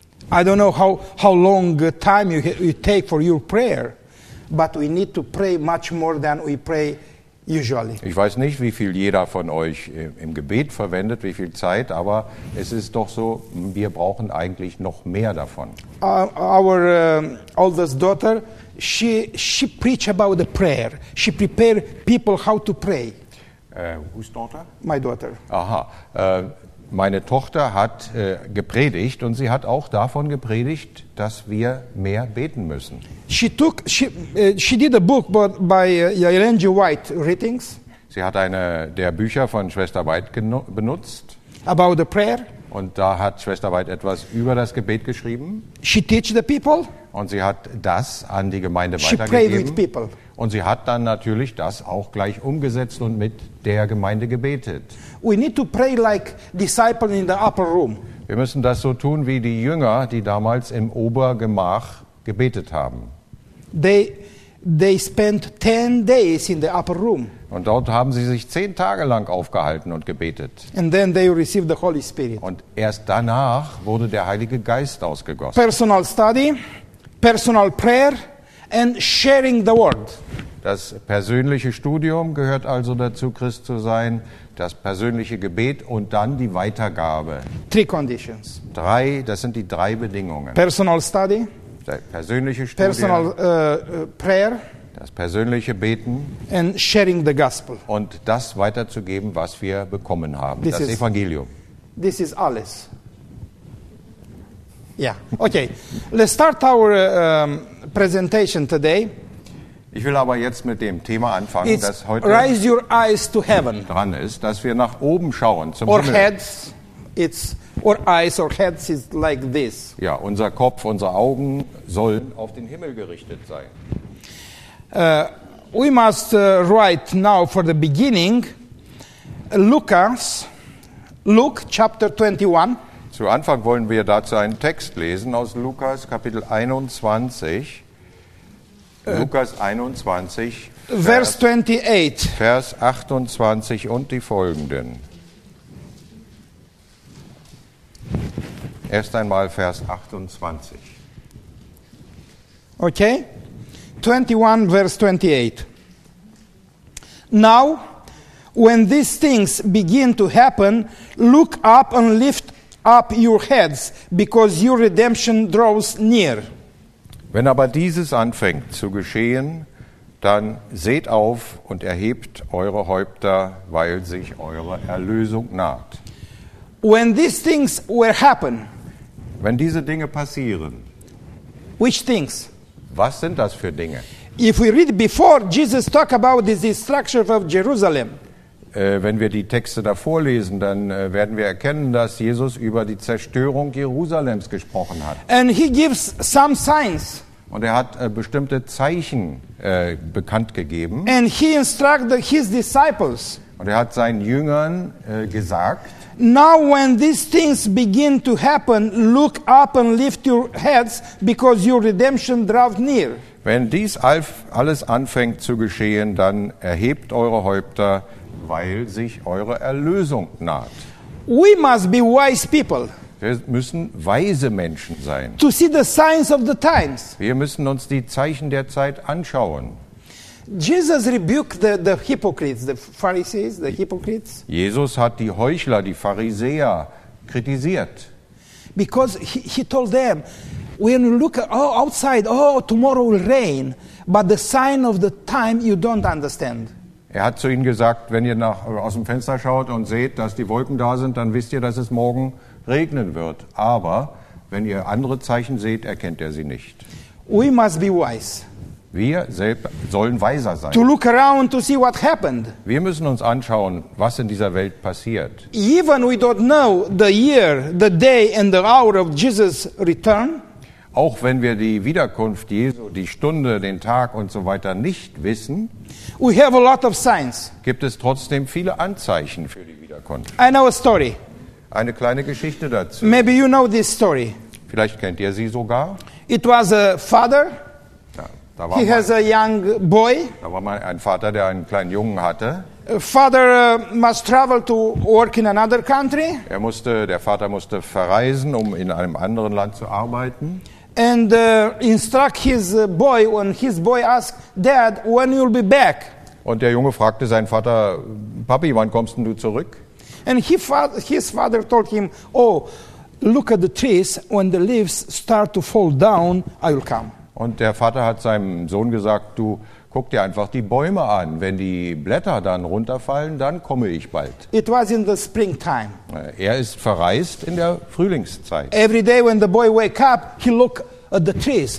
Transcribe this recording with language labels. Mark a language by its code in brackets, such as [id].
[en] I don't know how long time you take for your prayer, but we need to pray much more than we pray usually. [de] Ich weiß nicht, wie viel jeder von euch im Gebet verwendet, wie viel Zeit, aber es ist doch so, wir brauchen eigentlich noch mehr davon. [en] Our oldest daughter, she preached about the prayer. She prepared people how to pray. Whose daughter? My daughter. Aha. [de] Meine Tochter hat gepredigt und sie hat auch davon gepredigt, dass wir mehr beten müssen. [en] She did a book by Ellen G. White readings. [de] Sie hat eine der Bücher von Schwester White benutzt. [en] About the prayer. [de] Und da hat Schwester White etwas über das Gebet geschrieben. [en] She teach the people. [de] Und sie hat das an die Gemeinde [en] she [de] weitergegeben. [en] Pray with people. [de] Und sie hat dann natürlich das auch gleich umgesetzt und mit der Gemeinde gebetet. [en] We need to pray like disciples in the upper room. [de] Wir müssen das so tun wie die Jünger, die damals im Obergemach gebetet haben. [en] They spent 10 days in the upper room. [de] Und dort haben sie sich 10 Tage lang aufgehalten und gebetet. [en] And then they received the Holy Spirit. [de] Und erst danach wurde der Heilige Geist ausgegossen. [en] Personal study, personal prayer. And sharing the word. [de] Das persönliche Studium gehört also dazu, Christ zu sein, das persönliche Gebet und dann die Weitergabe. [en] 3 conditions. [de] Das sind die 3 Bedingungen. [en] Personal study. [de] Persönliche Studium. [en] Personal prayer. [de] Das persönliche Beten. [en] And sharing the gospel. [de] Und das weiterzugeben, was wir bekommen haben, das Evangelium. [en] This is [de] alles. [en] Yeah. Okay. Let's start our presentation today. [de] Ich will aber jetzt mit dem Thema anfangen, [en] it's [de] das heute [en] raise your eyes to heaven. [de] Dran ist, dass wir nach oben schauen zum [en] or [de] Himmel. [en] Heads, it's or eyes or heads is like this. [de] Ja, unser Kopf, unsere Augen sollen auf den Himmel gerichtet sein. [en] We must write now for the beginning Luke chapter 21. [de] Zu Anfang wollen wir dazu einen Text lesen aus Lukas Kapitel 21. Lukas 21, Vers 28. Vers 28 und die folgenden. Erst einmal Vers 28. Okay. 21, Vers 28. [en] Now, when these things begin to happen, look up and lift up your heads, because your redemption draws near. [de] Wenn aber dieses anfängt zu geschehen, dann seht auf und erhebt eure Häupter, weil sich eure Erlösung naht. [en] When these things will happen, [de] wenn diese Dinge passieren, [en] which things? [de] Was sind das für Dinge? [en] If we read before, Jesus talk about the destruction of Jerusalem. [de] Wenn wir die Texte davor lesen, dann werden wir erkennen, dass Jesus über die Zerstörung Jerusalems gesprochen hat. [en] And he gives some signs. [de] Und er hat bestimmte Zeichen bekannt gegeben. [en] And he instructed his disciples. [de] Und er hat seinen Jüngern gesagt, [en] now when these things begin to happen, look up and lift your heads, because your redemption draws near. [de] Wenn dies alles anfängt zu geschehen, dann erhebt eure Häupter, weil sich eure Erlösung naht. [en] We must be wise people. [de] Wir müssen weise Menschen sein. [en] To see the signs of the times. [de] Wir müssen uns die Zeichen der Zeit anschauen. [en] Jesus rebuked the hypocrites, the Pharisees, the hypocrites. [de] Jesus hat die Heuchler, die Pharisäer kritisiert. [en] Because he told them, when you look outside, tomorrow will rain, but the sign of the time you don't understand. [de] Er hat zu ihnen gesagt, wenn ihr aus dem Fenster schaut und seht, dass die Wolken da sind, dann wisst ihr, dass es morgen regnen wird. Aber wenn ihr andere Zeichen seht, erkennt ihr sie nicht. [en] We must be wise. [de] Wir selbst sollen weiser sein. [en] To look around to see what happened. [de] Wir müssen uns anschauen, was in dieser Welt passiert. [en] Even we don't know the year, the day and the hour of Jesus' return. [de] Auch wenn wir die Wiederkunft Jesu, die Stunde, den Tag und so weiter nicht wissen, [en] we have a lot of signs. [de] Gibt es trotzdem viele Anzeichen für die Wiederkunft. [en] I know a story. [de] Eine kleine Geschichte dazu. [en] Maybe you know this story. [de] Vielleicht kennt ihr sie sogar. [en] It was a father. He has a young boy. [de] Da war mal ein Vater, der einen kleinen Jungen hatte. [en] Father must travel to work in another country. [de] Der Vater musste verreisen, um in einem anderen Land zu arbeiten. [en] And instruct his boy, when his boy asked, Dad, when you'll be back? [de] Und der Junge fragte seinen Vater, Papi, wann kommst denn du zurück? [en] And his father told him, oh, look at the trees, when the leaves start to fall down, I will come. [de] Und der Vater hat seinem Sohn gesagt, du guck dir einfach die Bäume an. Wenn die Blätter dann runterfallen, dann komme ich bald. [en] It was in the springtime. [de] Er ist verreist in der Frühlingszeit. [en] Every day when the boy wake up, he look at the trees.